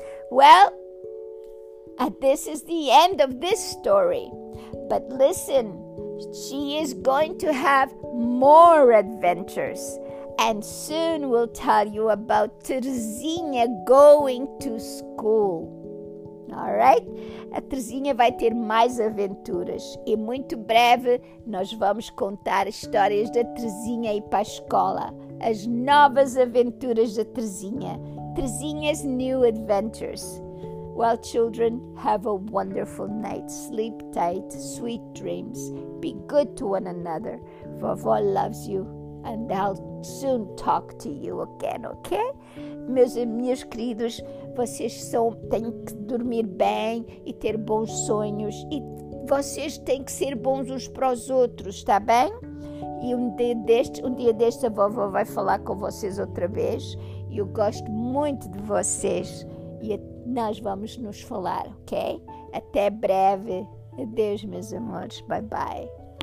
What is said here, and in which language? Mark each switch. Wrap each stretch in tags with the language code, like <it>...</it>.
<en>Well, this is the end of this story. But listen, she is going to have more adventures. And soon we'll tell you about Teresinha going to school. All right?</en> <pt>A Teresinha vai ter mais aventuras. E muito breve nós vamos contar histórias da Teresinha ir para a escola. As novas aventuras da Teresinha.</pt> <en>Teresinha's new adventures. Well, children, have a wonderful night. Sleep tight, sweet dreams. Be good to one another. Vovó loves you, and I'll soon talk to you again, okay?</en> <pt>Meus queridos, vocês têm que dormir bem e ter bons sonhos. E vocês têm que ser bons uns para os outros, tá bem? E um dia deste a vovó vai falar com vocês outra vez. Eu gosto muito de vocês e nós vamos nos falar, ok? Até breve. Adeus, meus amores.</pt> <en>Bye, bye.</en>